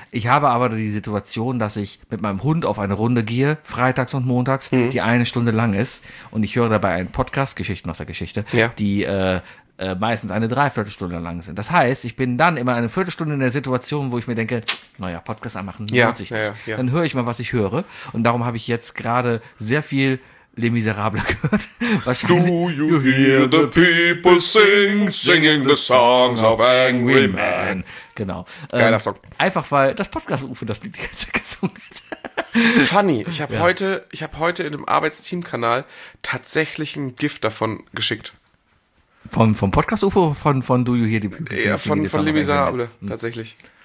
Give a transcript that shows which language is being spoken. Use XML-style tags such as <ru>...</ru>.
<de>Ich habe aber die Situation, dass ich mit meinem Hund auf eine Runde gehe, freitags und montags, die eine Stunde lang ist, und ich höre dabei einen Podcast, Geschichten aus der Geschichte, die meistens eine Dreiviertelstunde lang sind. Das heißt, ich bin dann immer eine Viertelstunde in der Situation, wo ich mir denke, naja, Podcast anmachen, lohnt sich nicht. Ja, ja. Dann höre ich mal, was ich höre, und darum habe ich jetzt gerade sehr viel Les Miserables gehört. Wahrscheinlich.</de> <en>Do you hear the people singing the songs of angry men?</en> <de>Genau. Geiler Song. Einfach weil das Podcast-Ufe das Lied die ganze Zeit gesungen hat. Funny, ich habe heute in dem Arbeitsteam-Kanal tatsächlich ein GIF davon geschickt. Vom Podcast-Ufe oder von</de> <en>Do you hear the people singing?</en> <de>Ja, von Les Miserables, tatsächlich.</de>